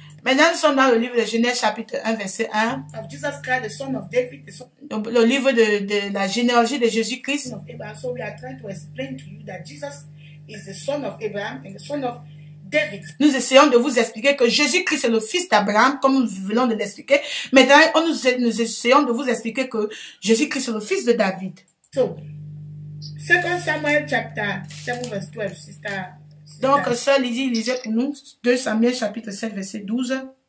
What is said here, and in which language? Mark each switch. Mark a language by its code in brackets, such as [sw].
[fr] Maintenant, nous sommes dans le livre de Genèse, chapitre 1, verset 1. [en] Of Jesus Christ, the son of David, the son of... [fr] Le livre de la généalogie de Jésus-Christ. [en] So we are trying to explain to you that Jesus is the son of Abraham and the son of David. [fr] Nous essayons de vous expliquer que Jésus-Christ est le fils d'Abraham, comme nous venons de l'expliquer. Maintenant, nous essayons de vous expliquer que Jésus-Christ est le fils de David. [en] So, 2 Samuel, [fr] chapitre 7, verset 12, [en] sister. [fr] Donc, ça, Lydie, lisez pour nous 2 Samuel, chapitre 7, verset 12.